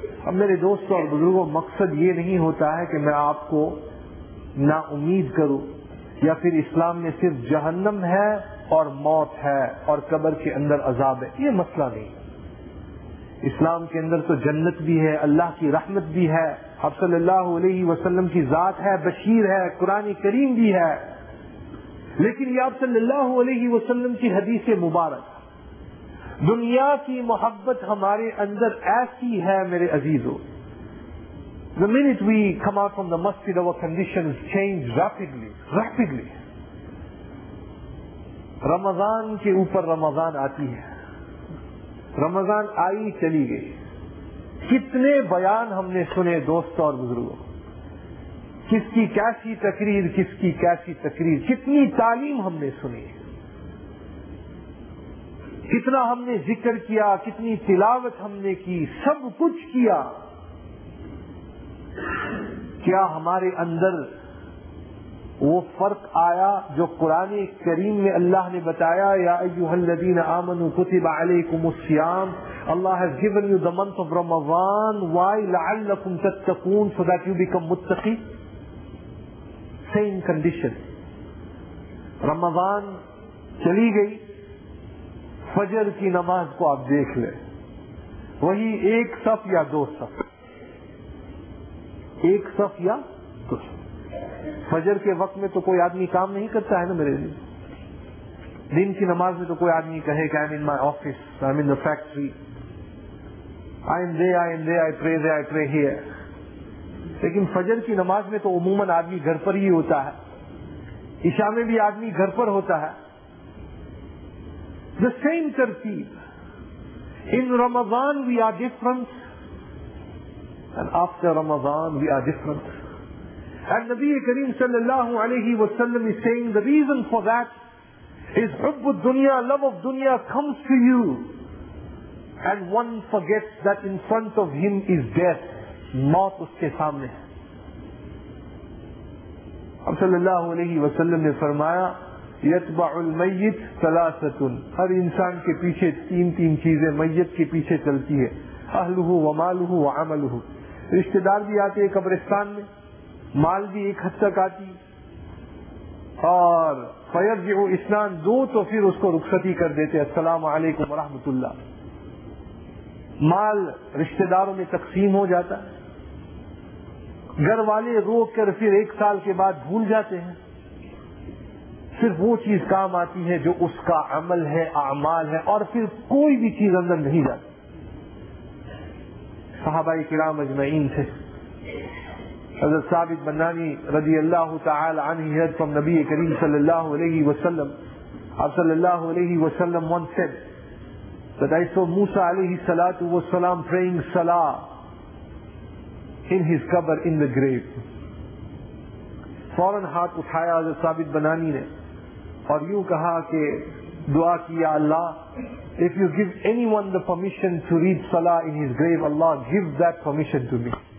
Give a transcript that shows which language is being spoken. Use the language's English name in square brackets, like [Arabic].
[Urdu] اب میرے دوستوں اور بزرگوں, مقصد یہ نہیں ہوتا ہے کہ میں آپ کو نا امید کروں یا پھر اسلام میں صرف جہنم ہے اور موت ہے اور قبر کے اندر عذاب ہے, یہ مسئلہ نہیں. اسلام کے اندر تو جنت بھی ہے, اللہ کی رحمت بھی ہے, آپ صلی اللہ علیہ وسلم کی ذات ہے, بشیر ہے, قرآن کریم بھی ہے. لیکن یہ آپ صلی اللہ علیہ وسلم کی حدیث مبارک. دنیا کی محبت ہمارے اندر ایسی ہے میرے عزیزو, [English] the minute we come out from the masjid our conditions change rapidly, rapidly. [Urdu] رمضان کے اوپر رمضان آتی ہے, رمضان آئی چلی گئی, کتنے بیان ہم نے سنے دوستوں اور بزرگوں, کس کی کیسی تقریر, کس کی کیسی تقریر, کتنی تعلیم ہم نے سنی, کتنا ہم نے ذکر کیا, کتنی تلاوت ہم نے کی, سب کچھ کیا. کیا ہمارے اندر وہ فرق آیا جو قرآن کریم میں اللہ نے بتایا, [Arabic] یا ایھا الذین آمنوا کتب علیکم الصیام, [English] Allah has given you the month of Ramadan, why? [Arabic] لعلكم تتقون, [English] so that you become متقی. Same condition. [Urdu] Ramadan چلی گئی, فجر کی نماز کو آپ دیکھ لیں, وہی ایک صف یا دو صف, ایک صف یا دو صف. فجر کے وقت میں تو کوئی آدمی کام نہیں کرتا ہے نا میرے لیے. دن کی نماز میں تو کوئی آدمی کہے کہ [English] I'm in my office, I'm in the factory, I am there, I pray there, I pray here. [Urdu] لیکن فجر کی نماز میں تو عموماً آدمی گھر پر ہی ہوتا ہے. عشاء میں بھی آدمی گھر پر ہوتا ہے. [English] The same ترتیب. In Ramadan we are different and after Ramadan we are different. And Nabi Kareem sallallahu alayhi wa sallam is saying the reason for that is [Arabic] حب الدنيا, [English] love of dunya comes to you and one forgets that in front of him is death. [Urdu] موت اس کے سامنے. حب صلی اللہ علیہ وسلم نے فرمایا [Arabic] يتبع الميت ثلاثة. [Urdu] ہر انسان کے پیچھے تین تین چیزیں میت کے پیچھے چلتی ہے, [Arabic] اہلہ ومالہ وعملہ. [Urdu] رشتہ دار بھی آتے ہیں قبرستان میں, مال بھی ایک حد تک آتی اور فیرجع اسنان دو تو پھر اس کو رخصتی کر دیتے ہیں السلام علیکم ورحمۃ اللہ. مال رشتہ داروں میں تقسیم ہو جاتا, گھر والے رو کر پھر ایک سال کے بعد بھول جاتے ہیں, صرف وہ چیز کام آتی ہے جو اس کا عمل ہے اعمال ہے اور پھر کوئی بھی چیز اندر نہیں جاتی. صحابہ کرام اجمعین تھے, حضرت ثابت بنانی رضی اللہ تعالی عنہ [English] heard from [Urdu] نبی کریم صلی اللہ علیہ وسلم. [English] اب صلی اللہ علیہ وسلم once said that I saw Musa علیہ السلام praying salah in his cover in the grave. [Urdu] فوراً ہاتھ اٹھایا حضرت ثابت بنانی نے اور یوں کہا کہ دعا کیا [English] Allah if you give anyone the permission to read salah in his grave Allah give that permission to me.